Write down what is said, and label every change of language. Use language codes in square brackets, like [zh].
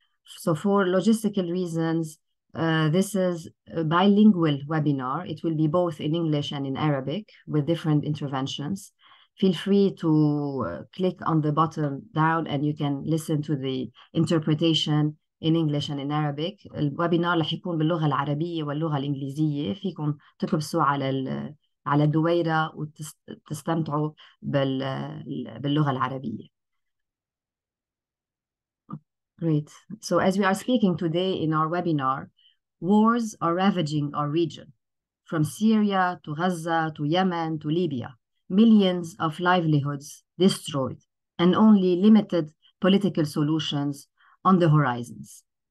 [en] So for logistical reasons, this is a bilingual webinar. It will be both in English and in Arabic with different interventions. Feel free to click on the button down and you can listen to the interpretation in English and in Arabic. [ar] الويبينار رح يكون باللغة العربية واللغة الإنجليزية. فيكم تكبسوا على الدويرة وتستمتعوا باللغة العربية. [en] Great. So as we are speaking today in our webinar, wars are ravaging our region, from Syria to Gaza to Yemen to Libya. Millions of livelihoods destroyed and only limited political solutions on the horizons.